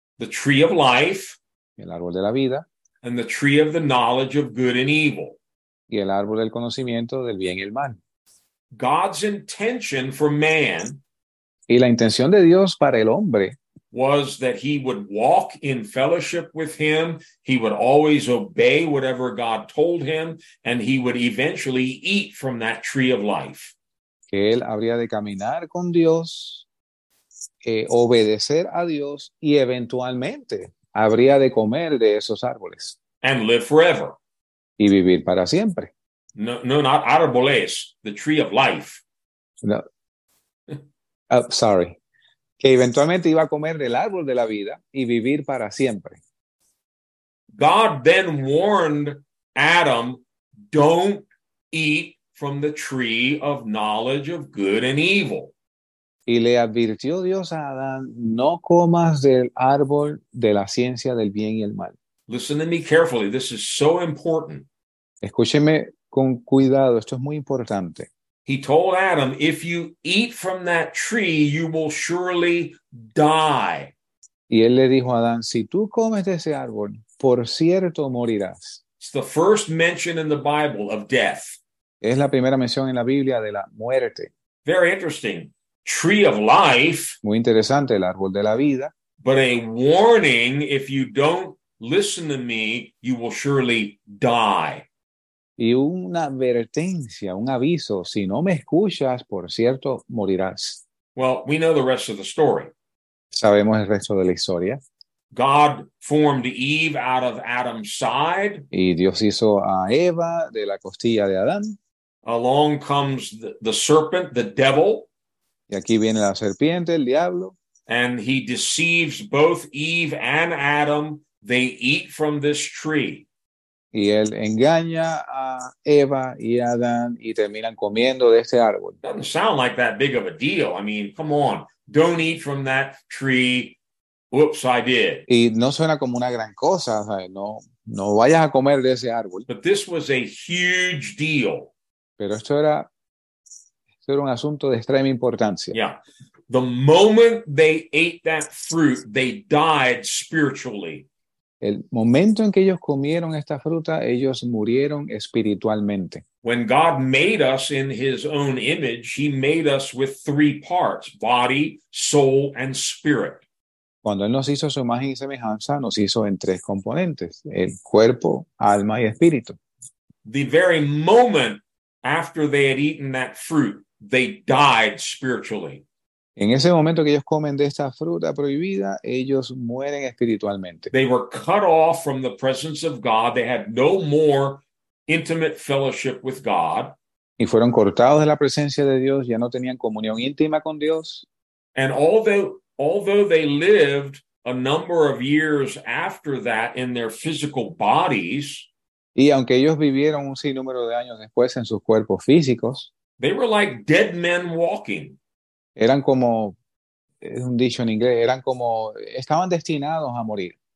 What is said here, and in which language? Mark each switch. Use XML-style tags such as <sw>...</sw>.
<en>The tree of life.</en> <es>El árbol de la vida.</es> <en>And the tree of the knowledge of good and evil.</en> <es>Y el árbol del conocimiento del bien y el mal.</es> <en>God's intention for man,</en> <es>y la intención de Dios para el hombre,</es> <en>was that he would walk in fellowship with him, he would always obey whatever God told him, and he would eventually eat from that tree of life.</en> <es>Que él habría de caminar con Dios, obedecer a Dios, y eventualmente habría de comer de esos árboles.</es> <en>And live forever.</en> <es>Y vivir para siempre.</es> <en>No, not</en> <es>árboles,</es> <en>the tree of life. No. Oh, sorry.</en> <es>Que eventualmente iba a comer del árbol de la vida y vivir para siempre.</es> <en>God then warned Adam, don't eat from the tree of knowledge of good and evil.</en> <es>Y le advirtió Dios a Adán, no comas del árbol de la ciencia del bien y el mal.</es> <en>Listen to me carefully, this is so important.</en> <es>Escúcheme con cuidado, esto es muy importante.</es> <en>He told Adam, if you eat from that tree, you will surely die.</en> <es>Y él le dijo a Adán, si tú comes de ese árbol, por cierto morirás.</es> <en>It's the first mention in the Bible of death.</en> <es>Es la primera mención en la Biblia de la muerte.</es> <en>Very interesting. Tree of life.</en> <es>Muy interesante, el árbol de la vida.</es> <en>But a warning, if you don't listen to me, you will surely die.</en> <es>Y una advertencia, un aviso, si no me escuchas, por cierto, morirás.</es> <en>Well, we know the rest of the story.</en> <es>Sabemos el resto de la historia.</es> <en>God formed Eve out of Adam's side.</en> <es>Y Dios hizo a Eva de la costilla de Adán.</es> <en>Along comes the serpent, the devil.</en> <es>Y aquí viene la serpiente, el diablo.</es> <en>And he deceives both Eve and Adam. They eat from this tree.</en> <es>Y él engaña a Eva y a Adán y terminan comiendo de este árbol.</es> <en>Doesn't sound like that big of a deal. I mean, come on, don't eat from that tree. Whoops, I did.</en> <es>Y no suena como una gran cosa, ¿sabes? No vayas a comer de ese árbol.</es> <en>But this was a huge deal.</en> <es>Pero esto era un asunto de extrema importancia. Yeah.</es> <en>The moment they ate that fruit, they died spiritually.</en> <es>El momento en que ellos comieron esta fruta, ellos murieron espiritualmente.</es> <en>When God made us in his own image, he made us with three parts, body, soul, and spirit.</en> <es>Cuando él nos hizo su imagen y semejanza, nos hizo en tres componentes, el cuerpo, alma y espíritu.</es> <en>The very moment after they had eaten that fruit, they died spiritually.</en> <es>En ese momento que ellos comen de esta fruta prohibida, ellos mueren espiritualmente.</es> <en>They were cut off from the presence of God. They had no more intimate fellowship with God.</en> <es>Y fueron cortados de la presencia de Dios. Ya no tenían comunión íntima con Dios.</es> <en>And although they lived a number of years after that in their physical bodies,</en> <es>y aunque ellos vivieron un sinnúmero de años después en sus cuerpos físicos,</es> <en>they were like dead men walking.</en> <es>Eran como, es un dicho en inglés, eran como, estaban destinados a morir.</es>